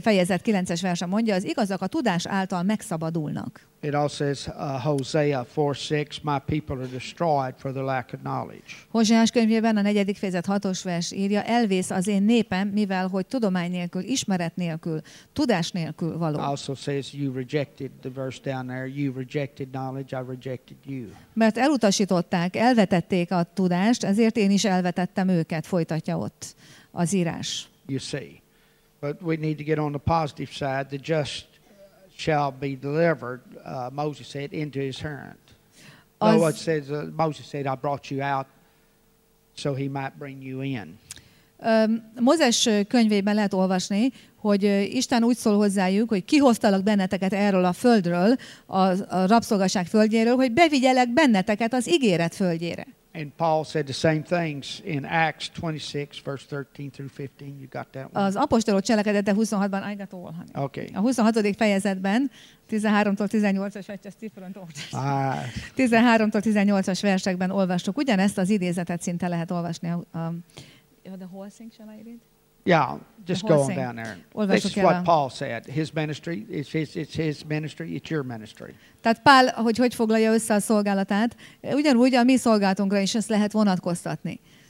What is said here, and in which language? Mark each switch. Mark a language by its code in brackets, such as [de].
[hu] fejezet 9-es verse mondja, az igazak a tudás által megszabadulnak. [en] It also says Hosea 4:6, my people are destroyed for the lack of knowledge. [hu] Hozsás könyvében a 4. fejezet 6-os vers írja, elvész az én népem, mivel hogy tudomány nélkül, ismeret nélkül, tudás nélkül való. [en] It also says you rejected the verse down there, you rejected knowledge, I rejected you. [hu] Mert elutasították, elvetették a tudást, ezért én is elvetettem őket, folytatja ott az írás. [en] You see. But we need to get on the positive side. The just shall be delivered, Moses said, into his hand. Moses said, I brought you out so he might bring you in. [hu] Mózes könyvében lehet olvasni, hogy Isten úgy szól hozzájuk, hogy kihoztalak benneteket erről a földről, a rabszolgaság földjéről, hogy bevigyelek benneteket az ígéret földjére. [en] And Paul said the same things in Acts 26, verse 13 through 15. You got that one? [hu] Az apostolok cselekedete 26-ban, [en] I got all, honey. Okay. [hu] A 26. fejezetben, 13-tól 18-as, vagy [en] just different orders. [hu] 13-tól 18-as versekben olvastuk. Ugyanezt az idézetet szinte lehet olvasni. [en] The whole thing, shall I read? Yeah, just go on down there. This is what Paul said. His ministry, it's his ministry, it's your ministry. [hu] Tehát Pál, hogy foglalja össze a szolgálatát, ugyanúgy a mi szolgálatunkra is ezt lehet vonatkoztatni.